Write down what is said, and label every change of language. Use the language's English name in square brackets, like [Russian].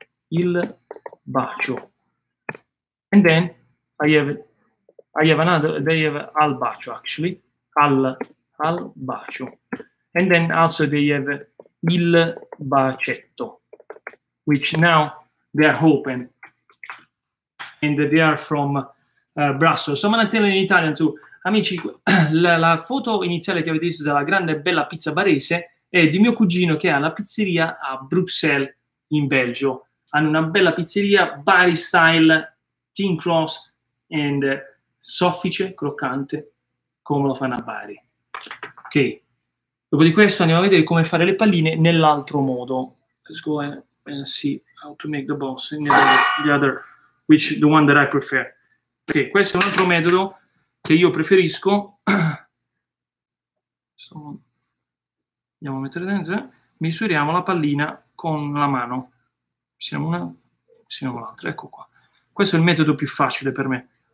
[English] Il Bacio. And then I have another, they have Al Bacio, actually. Al Bacio. And then also they have Il Bacetto, which now they are open. And they are from Brussels. So I'm gonna tell in Italian too. [Italian] Amici, la foto iniziale che avete visto della grande e bella pizza barese è di mio cugino che ha la pizzeria a Bruxelles, in Belgio. Hanno una bella pizzeria, [English] Bari style, thin crust, [Italian] and soffice, croccante, come lo fanno a Bari. Ok, dopo di questo andiamo a vedere come fare le palline nell'altro modo. [English] Let's go ahead and see how to make the balls in the one that I prefer. [Italian] Ok, questo è un altro metodo che io preferisco. Andiamo a mettere dentro. Misuriamo la pallina con la mano. Siamo una, siamo l'altra, ecco qua. Questo è il metodo più facile per me.